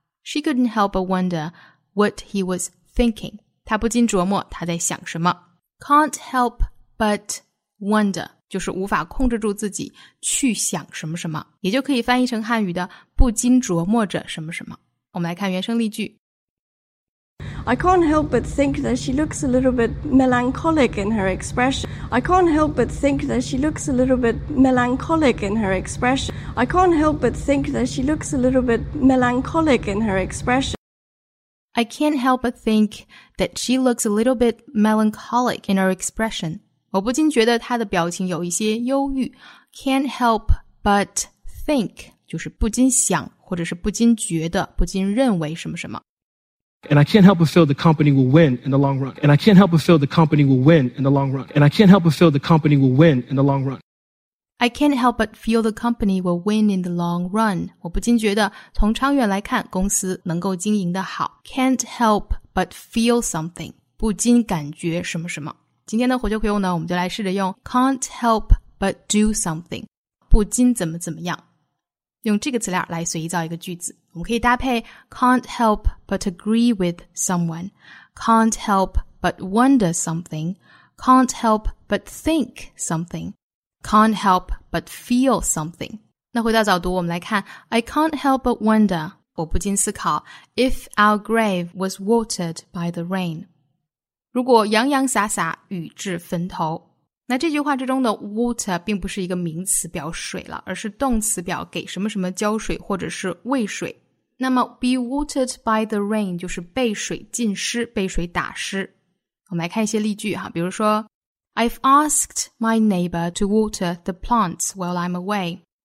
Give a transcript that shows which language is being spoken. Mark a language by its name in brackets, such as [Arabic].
[English] She couldn't help but wonder what he was thinking. [Chinese] 他不禁琢磨他在想什么。 [English] Can't help but wonder [Chinese] 就是无法控制住自己去想什么什么，也就可以翻译成汉语的不禁琢磨着什么什么。我们来看原声例句。 [English] I can't help but think that she looks a little bit melancholic in her expression. I can't help but think that she looks a little bit melancholic in her expression. I can't help but think that she looks a little bit melancholic in her expression. I can't help but think that she looks a little bit melancholic in her expression. [Chinese] 我不禁觉得她的表情有一些忧郁。 [English] Can't help but think [Chinese] 就是不禁想或者是不禁觉得不禁认为什么什么。 [English] And I can't help but feel the company will win in the long run. And I can't help but feel the company will win in the long run. And I can't help but feel the company will win in the long run. I can't help but feel the company will win in the long run. [Chinese] 我不禁觉得从长远来看公司能够经营的好。 [English] Can't help but feel something. [Chinese] 不禁感觉什么什么。今天的活就可以用呢，我们就来试着用 [English] can't help but do something. [Chinese] 不禁怎么怎么样。用这个词料来随意造一个句子。我们可以搭配 [English] can't help but agree with someone. Can't help but wonder something. Can't help but think something. Can't help but feel something. [Chinese] 那回到早读，我们来看 [English] I can't help but wonder. [Chinese] 我不禁思考 [English] If our grave was watered by the rain. [Chinese] 如果洋洋洒洒雨至坟头。那这句话之中的 water 并不是一个名词表水了，而是动词表给什么什么浇水或者是喂水。那么 be watered by the rain 就是被水浸湿，被水打湿。我们来看一些例句哈，比如说 [English] I've asked my neighbor to water the plants while I'm away.